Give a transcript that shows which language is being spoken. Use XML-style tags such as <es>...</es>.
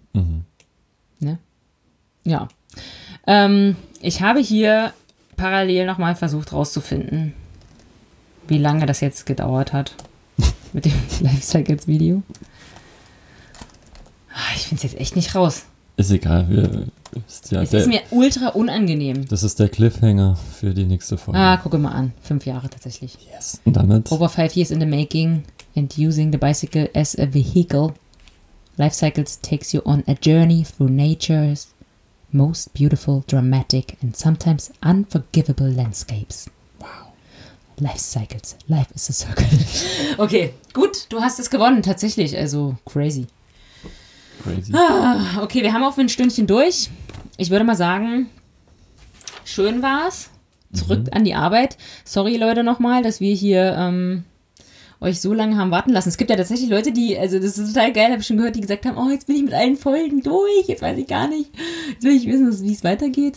<de>Mhm. Ne? Ja. Ich habe hier parallel nochmal versucht rauszufinden, wie lange das jetzt gedauert hat mit dem Lifecycles-Video. Ich finde es jetzt echt nicht raus. Ist egal. Ist mir ultra unangenehm. Das ist der Cliffhanger für die nächste Folge. Ah, guck mal an. 5 Jahre tatsächlich. Yes. Und damit?</de> <en>Over 5 years in the making and using the bicycle as a vehicle. Lifecycles takes you on a journey through nature's most beautiful, dramatic and sometimes unforgivable landscapes. Wow. Life cycles. Life is a circle.</en> <de>Okay, gut, du hast es gewonnen, tatsächlich. Also, crazy. Crazy. Ah, okay, wir haben auch ein Stündchen durch. Ich würde mal sagen, schön war's. Zurück an die Arbeit. Sorry, Leute, nochmal, dass wir hier euch so lange haben warten lassen. Es gibt ja tatsächlich Leute, die, also das ist total geil, habe ich schon gehört, die gesagt haben, oh, jetzt bin ich mit allen Folgen durch, jetzt weiß ich gar nicht, jetzt will ich wissen, wie es weitergeht.</de>